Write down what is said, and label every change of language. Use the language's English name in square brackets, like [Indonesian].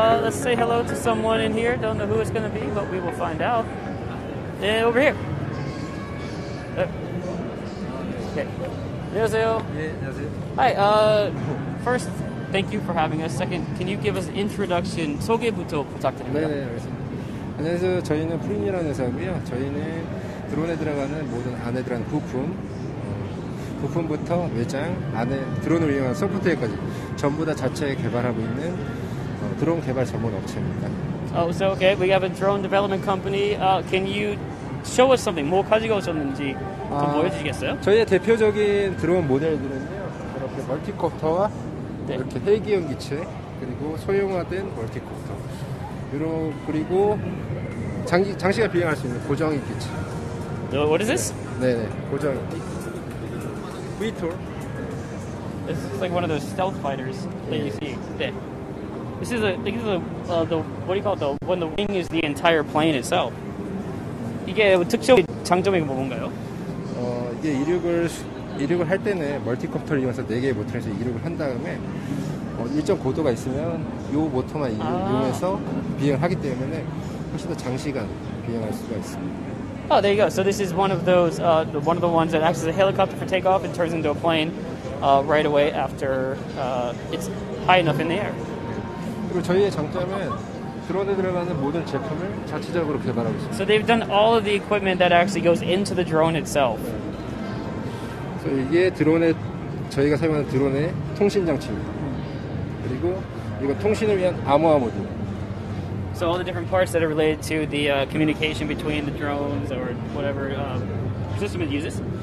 [English] say hello to someone in here. Don't know who it's going to be, but we will find out. Over here. Okay. Hi. First, thank you for having us. Second, can you give us an introduction? [Korean] 소개부터 부탁드립니다. 네, 알겠습니다. 안녕하세요. 저희는 프린이라는 회사고요. 저희는 드론에 들어가는 모든 안에 들어간 부품, 부품부터 외장, 안에 드론을 이용한 소프트웨어까지 전부 다 자체 개발하고 있는 드론 개발 전문 업체입니다. [English] Oh, so okay. We have a drone development company. Can you show us something? [Korean] 뭐 가지고 오셨는지 보여주시겠어요? 저희의 대표적인 드론 모델들은요. 이렇게 멀티콥터와 네. 이렇게 헬기형 기체, 그리고 소형화된 멀티콥터. 그리고 장시간 비행할 수 있는 고정인 기체. [English] So what is this? [Korean] 네네, 고정인. VTOL. [English] This is like one of those stealth fighters that 네. you see. [Korean] 네. [English] This is a, the what do you call it, when the wing is the entire plane itself. [Korean] 이게 특징 장점이 뭔가요? 이게 이륙을 할 때는 멀티콥터를 이용해서 네 개의 모터에서 이륙을 한 다음에 일정 고도가 있으면 이 모터만 이용해서 비행을 하기 때문에 훨씬 더 장시간 비행할 수가 있습니다. [English] Oh, there you go. So this is one of those, one of the ones that acts as a helicopter for takeoff and turns into a plane right away after it's high enough in the air. [Korean] 그리고 저희의 장점은 드론에 들어가는 모든 제품을 자체적으로 개발하고 있습니다. [English] So they've done all of the equipment that actually goes into the drone itself. [Korean] 그래서 이게 드론에 저희가 사용하는 드론의 통신 장치입니다. 그리고 이거 통신을 위한 암호화 모듈. [English] So all the different parts that are related to the communication between the drones or whatever system it uses.